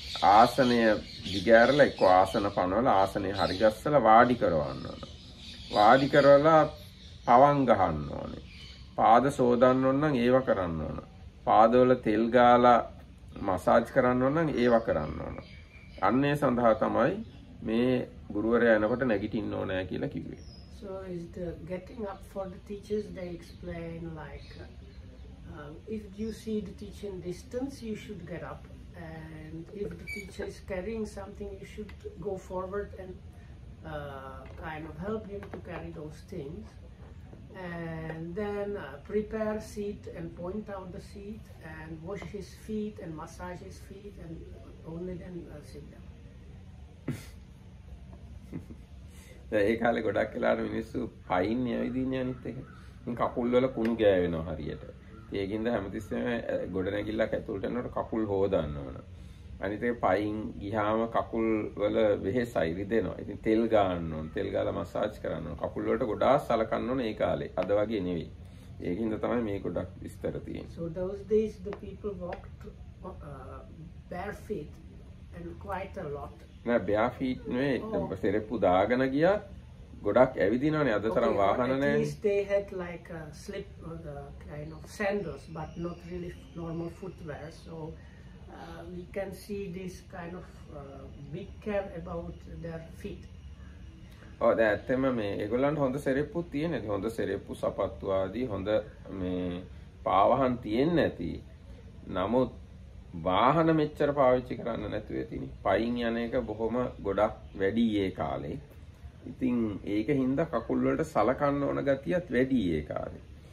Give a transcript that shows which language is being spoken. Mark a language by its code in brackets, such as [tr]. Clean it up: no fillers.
[si] ආසනය දිගෑරලා එක්ක ආසන පනවලා ආසනේ හරි ගස්සලා වාඩි කරවන්න ඕන වාඩි කරවලා පවන් ගහන්න ඕනේ පාද සෝදන්න ඕන නම් ඒව කරන්න ඕන පාදවල තෙල් ගාලා මසාජ් කරන්න ඕන නම් ඒව කරන්න ඕන අන්නේ සඳහා තමයි මේ ගුරුවරයා එනකොට නැගිටින්න ඕනෑ කියලා කිව්වේ [en] So is the getting up for the teachers they explain like if you see the teacher in distance you should get up and if the teacher is carrying something you should go forward and kind of help him to carry those things and then prepare seat and point out the seat and wash his feet and massage his feet and only then sit down. [si] ඒ කාලේ ගොඩක් වෙලාවට මිනිස්සු පයින් යවිදින්න අනිත් එක. ඉතින් කකුල් වල කුණු ගෑවෙනවා හරියට. ඒකින්ද හැමතිස්සෙම ගොඩ නැගිල්ලක් ඇතුළට යනකොට කකුල් හොදන්න ඕන. අනිත් එක පයින් ගියාම කකුල් වල වෙහෙසයි රිදෙනවා. ඉතින් තෙල් ගන්න ඕන. තෙල් ගාලා මසාජ් කරන්න ඕන. කකුල් වලට ගොඩාක් සලකන්න ඕන ඒ කාලේ. අද වගේ නෙවෙයි. ඒකින්ද තමයි මේ ගොඩක් විස්තර තියෙන්නේ. [en] So those days the people walked barefoot and quite a lot. [si] බෑෆීට් නෙවෙයි දැන් සෙරෙප්පු දාගෙන ගියා ගොඩක් ඇවිදිනවනේ අද තරම් වාහන නැහැ [en] at least they had like a slip or the kind of sandals but not really normal footwear so we can see this kind of big care about their feet [si] ඔව් දැන් ඇත්තම මේ ඒගොල්ලන්ට හොඳ සෙරෙප්පු තියෙනද හොඳ සෙරෙප්පු සපත්තු ආදී හොඳ මේ පාවහන් තියෙන්නේ නැති නමුත් වාහන මෙච්චර පාවිච්චි කරන්න නැතුව ඇතිනේ. පයින් යන එක බොහොම ගොඩක් වැඩි ඒ කාලේ. ඉතින් ඒක හින්දා කකුල් වලට සලකන්න ඕන ගතියත් වැඩි ඒ කාලේ.